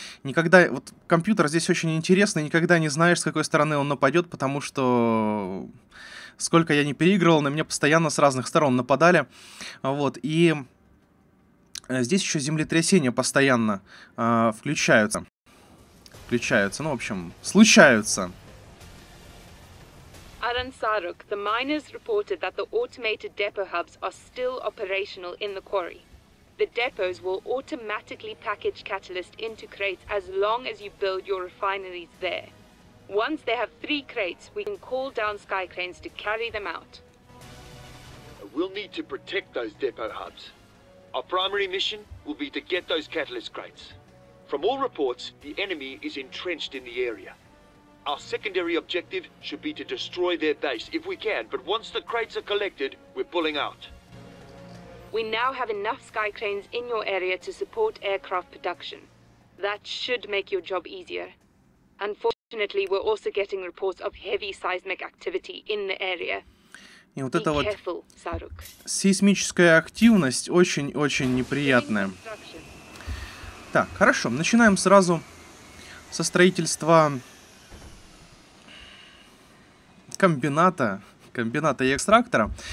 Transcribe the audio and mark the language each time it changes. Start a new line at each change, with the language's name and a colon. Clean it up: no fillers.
Russian: Никогда, вот компьютер здесь очень интересный, никогда не знаешь, с какой стороны он нападет, потому что сколько я не переигрывал, на меня постоянно с разных сторон нападали. Вот, и здесь еще землетрясения постоянно включаются. Включаются, ну, в общем, случаются.
English: Аран Сарук, the miners reported that the automated depot hubs are still operational in the quarry. The depots will automatically package catalyst into crates as long as you build your refineries there. Once they have 3 crates, we can call down sky cranes to carry them out. We'll need to protect those depot hubs. Our primary mission will be to get those catalyst crates. From all reports, the enemy is entrenched in the area. Our secondary objective should be to destroy their base, if we can, but once the crates are collected, we're pulling out. We now have enough sky cranes in your area to support aircraft production. That should make your job easier. Unfortunately, we're also getting reports of heavy seismic activity in the area.
Russian: И вот эта вот сейсмическая активность очень-очень неприятная. Так, хорошо, начинаем сразу со строительства комбината и экстрактора.